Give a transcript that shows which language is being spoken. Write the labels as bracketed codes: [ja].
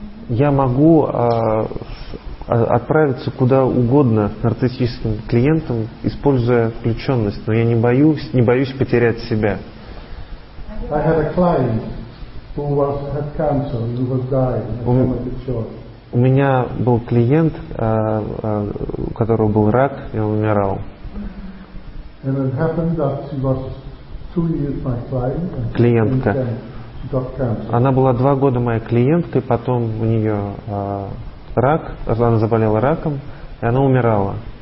[ru] Я могу отправиться куда угодно с нарциссическим клиентом, используя включенность, но я не боюсь потерять себя. [en] I had a client who had cancer, who was dying, and came at the church. [ru] У меня был клиент, у которого был рак, и он умирал. [en] And it happened that she was 2 years my client. [ru] Клиентка. Она была 2 года моей клиенткой, потом у нее рак, она заболела раком, и она умирала.